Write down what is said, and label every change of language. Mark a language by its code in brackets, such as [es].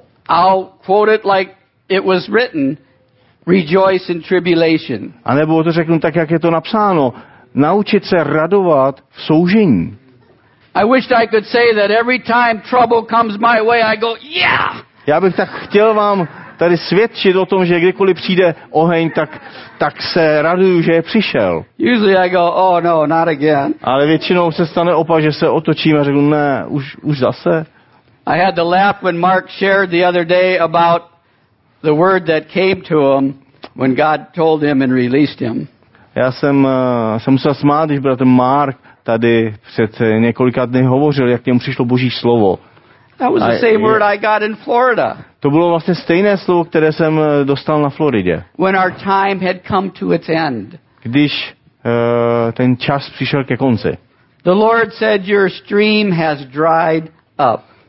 [en] I'll quote it like it was written. Rejoice in tribulation. [cs] A nebo to řeknu tak, jak je to napsáno. Naučit se radovat v soužení. [en] I wished I could say that every time trouble comes my way, I go, yeah! [cs] Já bych tak chtěl vám tady svědčit o tom, že kdykoliv přijde oheň, tak se raduju, že je přišel. [en] Usually I go, oh no, not again. [cs] Ale většinou se stane opak, že se otočím a řeknu, ne, už zase. [en] I had to laugh when Mark shared the other day about the word that came to him when God told him and released him. [cs] Já jsem musel smát, když bratr Mark tady před několika dny hovořil, jak k němu přišlo Boží slovo. [en] That was the same word I got in Florida. [cs] To bylo vlastně stejné slovo, které jsem dostal na Floridě. [en] When our time had come to its end. [cs] Když ten čas přišel ke konci. [en] The Lord said your stream has dried up.